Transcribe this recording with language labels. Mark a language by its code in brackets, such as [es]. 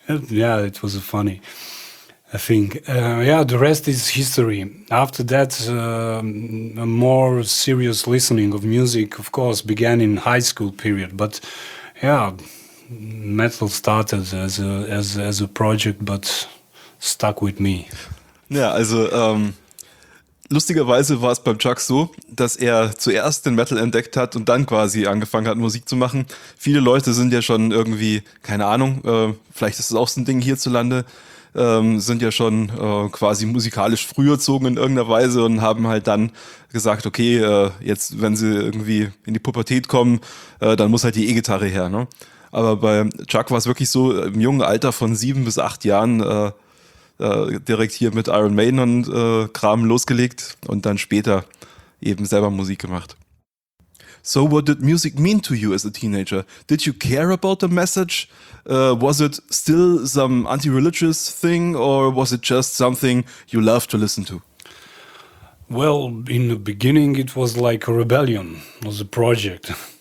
[en] Yeah, it was a funny thing. Yeah, the rest is history. After that, a more serious listening of music, of course, began in high school period. But yeah, metal started as a project, but stuck with me. [de] Yeah, also lustigerweise war es beim Chuck so, dass er zuerst den Metal entdeckt hat und dann quasi angefangen hat, Musik zu machen. Viele Leute sind ja schon irgendwie, keine Ahnung, vielleicht ist es auch so ein Ding hierzulande, sind ja schon quasi musikalisch früh erzogen in irgendeiner Weise und haben halt dann gesagt, okay, jetzt, wenn sie irgendwie in die Pubertät kommen, dann muss halt die E-Gitarre her, ne? Aber bei Chuck war es wirklich so, im jungen Alter von 7 bis 8 Jahren, direkt hier mit Iron Maiden und Kram losgelegt und dann später eben selber Musik gemacht. [en] So what did music mean to you as a teenager? Did you care about the message? Was it still some anti-religious thing or was it just something you loved to listen to? Well, in the beginning it was like a rebellion, was a project.